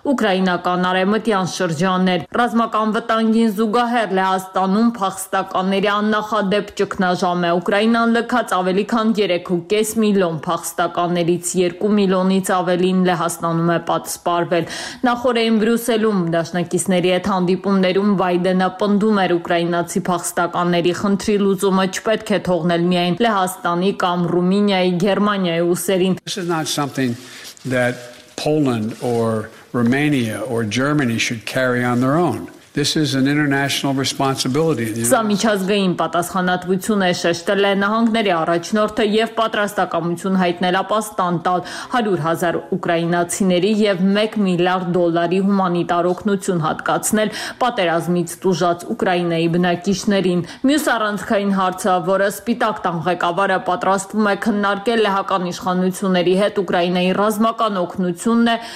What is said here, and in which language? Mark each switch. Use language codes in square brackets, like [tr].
[hy] ուկրաինական արևմտյան շրջաններ։ Ռազմական վտանգին զուգահեռ Լեհաստանում փախստականների աննախադեպ ճգնաժամ է։ Ուկրաինան լքած ավելի քան 3.5 միլիոն փախստականներից 2 միլիոնից ավելին Լեհաստանում է պատսպարվել։ Նախորդին Բրյուսելում դաշնակիցների հետ հանդիպումներում Բայդենը պնդում էր ուկրաինացի փախստականների խնդրի լուծումը չպետք է թողնել միայն Լեհաստանի կամ Ռումինիայի, Գերմանիայի ուսերին։ [en] This is not something that Poland or Romania or Germany should carry on their own. This is an international responsibility. [hy] Սա միջազգային պատասխանատվություն է, շեշտել է Նահանգների առաջնորդը, և պատրաստակամություն հայտնել ապաստան տալ 100 000 ուկրաինացիների և 1 միլիարդ դոլարի հումանիտար օգնություն հատկացնել պատերազմից տուժած Ուկրաինայի բնակիչներին։ Մյուս առանցքային հարցը, որը Սպիտակ տան ղեկավարը պատրաստվում է քննարկել Լեհական իշխանությունների հետ Ուկրաինայի ռազմական օգնությունն է,